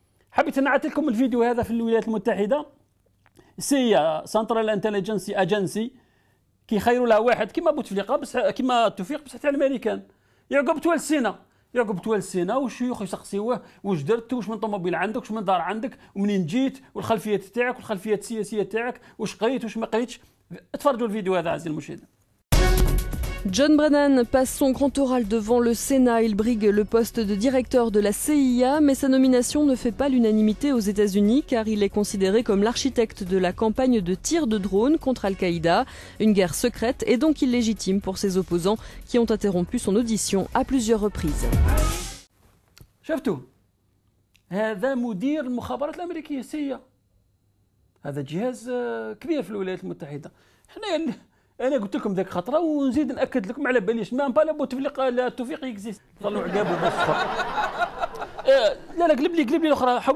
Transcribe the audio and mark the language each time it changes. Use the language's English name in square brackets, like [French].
[Arabic] حبيت نعطي لكم الفيديو هذا في الولايات المتحدة. سي سنترال انتليجنسي اجنسي كيخيروا لها واحد كيما بوتفليقة بصح كيما توفيق بصح تاع الأمريكان. يعقوب توالسينا، يعقوب توالسينا والشيوخ يسقسيوه واش درت واش من طوموبيل عندك واش من دار عندك ومنين جيت والخلفية تاعك والخلفية السياسية تاعك واش قريت واش ما قريتش. اتفرجوا الفيديو هذا عزيزي المشاهد. [French] John Brennan passe son grand oral devant le Sénat. Il brigue le poste de directeur de la CIA, mais sa nomination ne fait pas l'unanimité aux États-Unis car il est considéré comme l'architecte de la campagne de tir de drones contre Al-Qaïda, une guerre secrète et donc illégitime pour ses opposants qui ont interrompu son audition à plusieurs reprises. [Arabic] شفتوا هذا مدير المخابرات الأمريكية CIA، هذا جهاز كبير في الولايات المتحدة. انا قلت لكم ذاك خطره ونزيد ناكد لكم على باليش ما بالا بوتفليقة لا توفيق اكزيست. طلعوا عقابه بس لا قلب لي قلب لي الاخرى.